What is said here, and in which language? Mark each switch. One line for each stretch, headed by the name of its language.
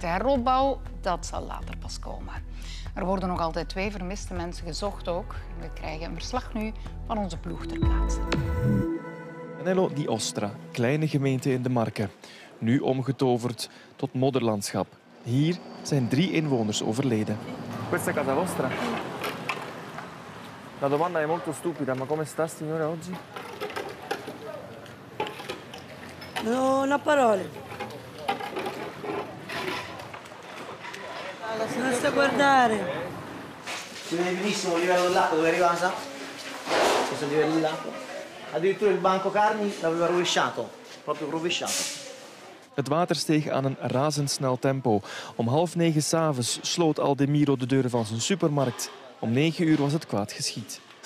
Dutch: De heropbouw, dat zal later pas komen. Er worden nog altijd 2 vermiste mensen gezocht ook. We krijgen een verslag nu van onze ploeg ter plaatse. Nello di Ostra, kleine gemeente in de Marken. Nu omgetoverd tot modderlandschap. Hier zijn 3 inwoners overleden.
Italian: Questa è casa vostra. La domanda è molto stupida, ma come sta signora oggi? Non ho parole. La si sta a guardare. Si vede benissimo il livello dell'acqua dove arriva, sa? Questo livello dell'acqua. Addirittura il banco carni l'aveva rovesciato, proprio rovesciato.
Dutch: Het water steeg aan een razendsnel tempo. Om 8:30 s'avonds sloot Aldemiro de deuren van zijn supermarkt. Om 9:00 was het kwaad geschied.